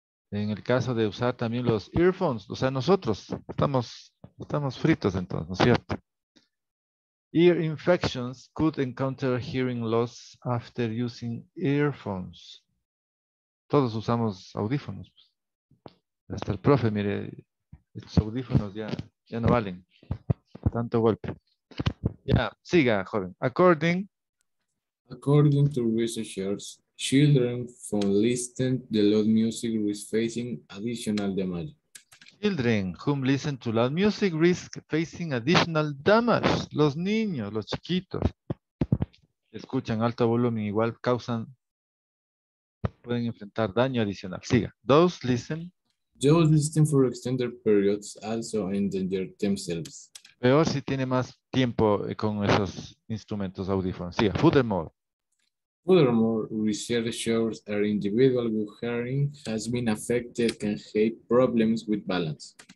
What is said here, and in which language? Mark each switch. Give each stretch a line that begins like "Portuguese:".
Spanish: En el caso de usar también los earphones, o sea, nosotros estamos fritos entonces, ¿no es cierto?
English: Ear infections could encounter hearing loss after using earphones.
Spanish: Todos usamos audífonos. Hasta el profe, mire, estos audífonos ya no valen. Tanto golpe. Ya, siga, joven.
English: According to researchers, children from listening to loud music risk facing additional damage. Children whom listen to loud music risk facing additional damage.
Spanish: Los niños, los chiquitos, escuchan alto volumen, igual causan, pueden enfrentar daño adicional. Siga.
English: Those listen for extended periods also endanger themselves.
Spanish: Peor si tiene más tiempo con esos instrumentos audífonos. Siga.
English: Furthermore. Furthermore, research shows that individual good hearing has been affected can have problems with balance.